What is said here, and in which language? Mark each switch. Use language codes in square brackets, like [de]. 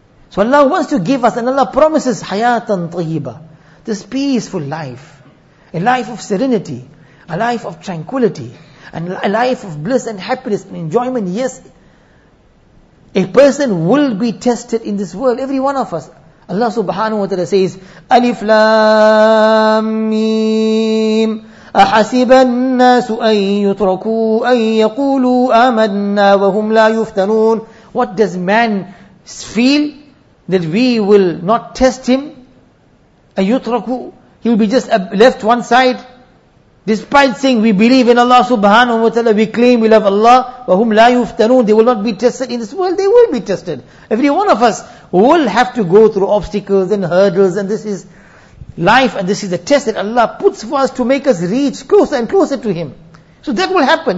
[en] So Allah wants to give us, and Allah promises hayatan tayyiba, this peaceful life, a life of serenity, a life of tranquility, and a life of bliss and happiness and enjoyment. Yes, a person will be tested in this world, every one of us. Allah subhanahu wa ta'ala says, [ar] Alif lam mim, أَحَسِبَ النَّاسُ أَن يُتْرَكُوا أَن يَقُولُوا آمَنَّا وَهُمْ لَا يُفْتَنُونَ. [en] What does man feel? That we will not test him. Ayutraku, he will be just left one side. Despite saying we believe in Allah subhanahu wa ta'ala, we claim we love Allah, [ar] وَهُمْ لَا يُفْتَنُونَ, [en] they will not be tested in this world. They will be tested. Every one of us will have to go through obstacles and hurdles, and this is life, and this is the test that Allah puts for us to make us reach closer and closer to Him. So that will happen.